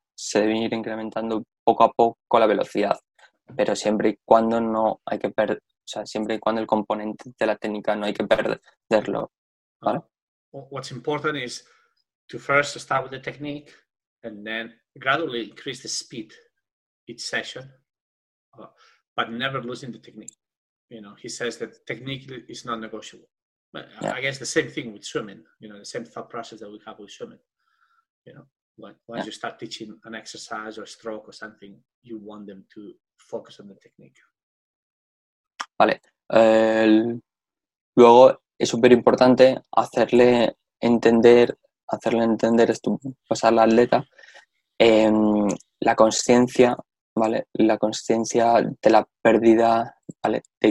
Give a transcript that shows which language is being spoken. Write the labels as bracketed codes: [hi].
[es] Se debe ir incrementando poco a poco la velocidad. Pero siempre y cuando no hay que perder, o sea, siempre y cuando el componente de la técnica no hay que perderlo. ¿Vale? [en] What's important is to first start with the technique and then gradually increase the speed each session, but never losing the technique. You know, he says that technique is non-negotiable. But yeah. I guess the same thing with swimming, you know, the same thought process that we have with swimming. You know, once you start teaching an exercise or a stroke or something, you want them to focus on the technique. [es] Vale. Luego es súper importante hacerle entender esto, pasar al atleta, la consciencia, ¿vale? La consciencia de la pérdida, ¿vale?